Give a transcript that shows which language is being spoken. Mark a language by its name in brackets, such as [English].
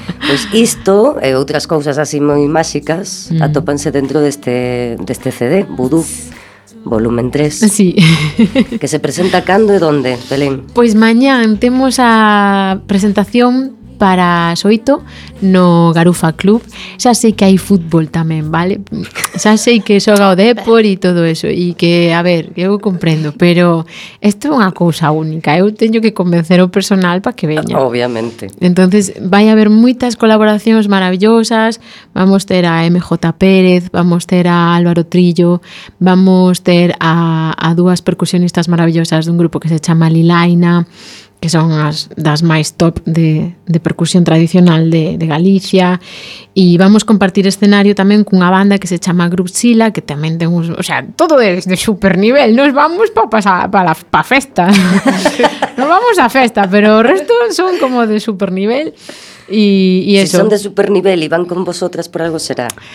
[Spanish] Pues isto, otras cosas así muy mágicas, atópanse dentro de este CD, Voodoo, volumen 3. Sí. Que se presenta cando y dónde, Belén. Pues mañana tenemos a presentación para Soito no Garufa Club. [Galician] Xa sei que hai fútbol tamén, vale? Xa sei que xoga o Depor e todo eso e que, a ver, eu comprendo, pero isto é unha cousa única. Eu teño que convencer o personal para que veña. Obviamente. Entonces vai haber moitas colaboracións maravillosas. Vamos ter a MJ Pérez, vamos ter a Álvaro Trillo, vamos ter a dúas percusionistas maravillosas dun grupo que se chama Lilaina, que son as das máis top de percusión tradicional de Galicia, e vamos compartir escenario tamén cunha banda que se chama Grupsila, que tamén ten un, o sea, todo de super nivel. Nos vamos pa festa. Nos vamos a festa, pero o resto son como de super nivel. [Spanish] Y eso. Si son de super nivel y van con vosotras, por algo será.